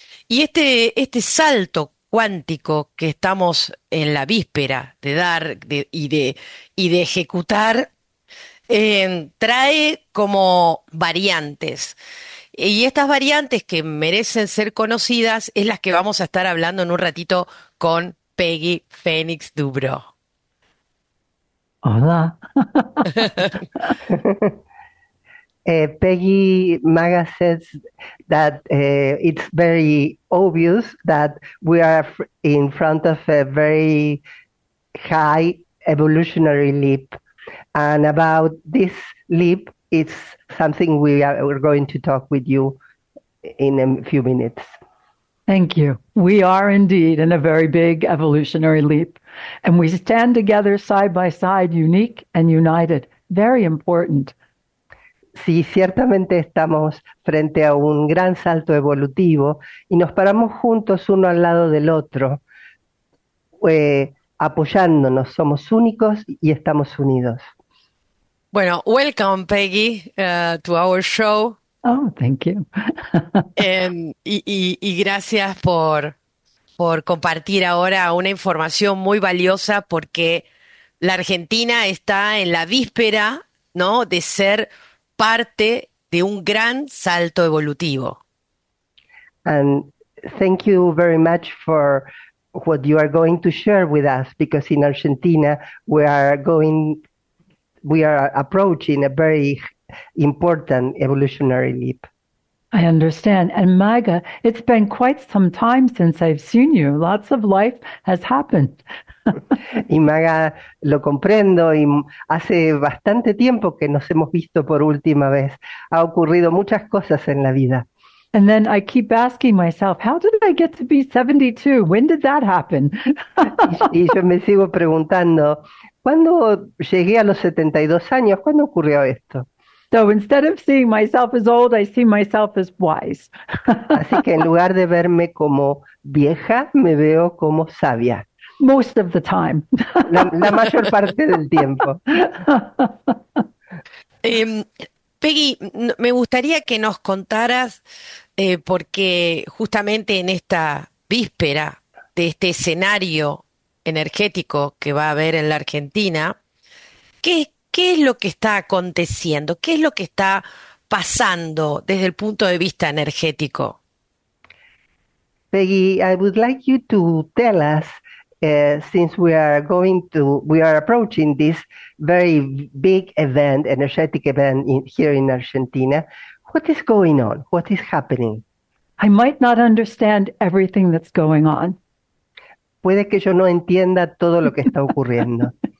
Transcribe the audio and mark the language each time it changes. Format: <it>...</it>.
<es>Y este salto cuántico que estamos en la víspera de dar y de ejecutar, trae como variantes. Y estas variantes que merecen ser conocidas es las que vamos a estar hablando en un ratito con Peggy Fénix Dubro. Hola.</es> <en>Peggy Maga says that it's very obvious that we are in front of a very high evolutionary leap. And about this leap, it's something we're going to talk with you in a few minutes. Thank you. We are indeed in a very big evolutionary leap. And we stand together side by side, unique and united. Very important.</en> <es>Sí, ciertamente estamos frente a un gran salto evolutivo y nos paramos juntos uno al lado del otro, apoyándonos. Somos únicos y estamos unidos.</es> <en>Bueno, welcome, Peggy, to our show. Oh, thank you.</en> <es>Y gracias por compartir ahora una información muy valiosa porque la Argentina está en la víspera, ¿no?, de ser parte de un gran salto evolutivo.</es> <en>And thank you very much for what you are going to share with us, because in Argentina we are approaching a very important evolutionary leap. I understand. And Maga, it's been quite some time since I've seen you. Lots of life has happened.</en> <es>Maga, lo comprendo y hace bastante tiempo que nos hemos visto por última vez. Ha ocurrido muchas cosas en la vida.</es> <en>And then I keep asking myself, how did I get to be 72? When did that happen?</en> <es>Y yo me sigo preguntando, ¿cuándo llegué a los 72 años? ¿Cuándo ocurrió esto?</es> <en>So instead of seeing myself as old, I see myself as wise.</en> <es>Así que en lugar de verme como vieja, me veo como sabia.</es> <en>Most of the time.</en> <es>La mayor parte del tiempo. Peggy, me gustaría que nos contaras, porque justamente en esta víspera de este escenario energético que va a haber en la Argentina, ¿qué es lo que está aconteciendo? ¿Qué es lo que está pasando desde el punto de vista energético?</es> <en>Peggy, I would like you to tell us, since we are approaching this very big event, energetic event here in Argentina, what is going on? What is happening? I might not understand everything that's going on.</en> <es>Puede que yo no entienda todo lo que está ocurriendo.</es>